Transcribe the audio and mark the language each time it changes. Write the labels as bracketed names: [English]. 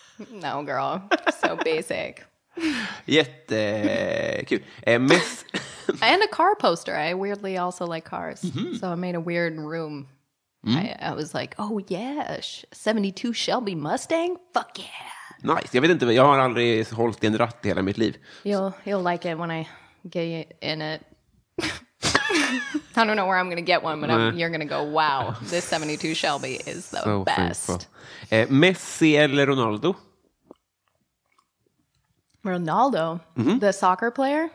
[English] No, girl, so basic. [Swedish] Jättekul. [English] And a car poster. I weirdly also like cars. Mm-hmm. So I made a weird room. Mm. I was like, oh yeah, 72 Shelby Mustang? Fuck yeah. Nice. [Swedish] Jag vet inte, jag har aldrig hållit en ratt i hela mitt liv. [English] You'll like it when I get in it. I don't know where I'm going to get one, but you're going to go, wow, this 72 Shelby is the so best. [Swedish] Messi eller Ronaldo? [English] Ronaldo? Mm-hmm. The soccer player?